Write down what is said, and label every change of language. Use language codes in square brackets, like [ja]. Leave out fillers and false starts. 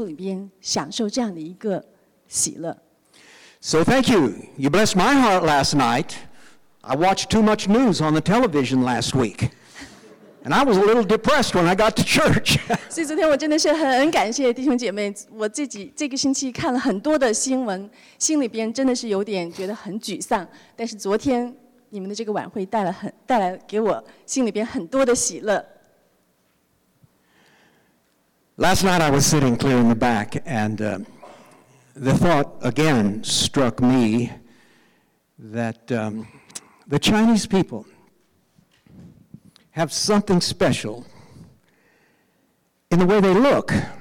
[zh] 在这个破碎的充满罪恶的一个世界里边,你因为神的救恩,你能够在耶稣基督里边享受这样的一个喜乐。 [en] So thank you. You blessed my heart last night. I watched too much news on the television last week. And I was a little depressed when I got to church. [zh] 所以昨天我真的是很感谢弟兄姐妹。我自己这个星期看了很多的新闻，心里边真的是有点觉得很沮丧。但是昨天你们的这个晚会带来给我心里边很多的喜乐。 [en] Last night I was sitting clear in the back, and the thought again struck me that the Chinese people have something special in the way they look.